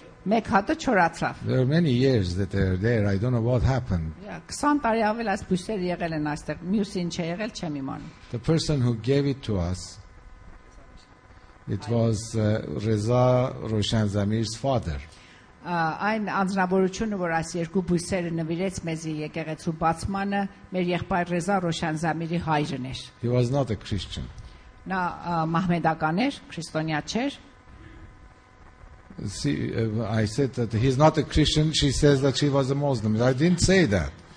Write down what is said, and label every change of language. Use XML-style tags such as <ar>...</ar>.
<en>There were many years that they were there. I don't know what happened. The person who gave it to us, it was Reza Roshan Zamir's father.</en> <hy>Այն անձնավորությունը, որ այս երկու բույսերը նվիրեց մեզ եկեղեցու բացմանը, մեր եղբայր Ռեզա Ռոշան Զամիրի հայրն էր.</hy> <en>He was not a Christian.</en> <hy>Նա մահմեդական էր, քրիստոնյա չէր.</hy> <en>See, I said that he's not a Christian, she says that she was a Muslim. I didn't say that.</en>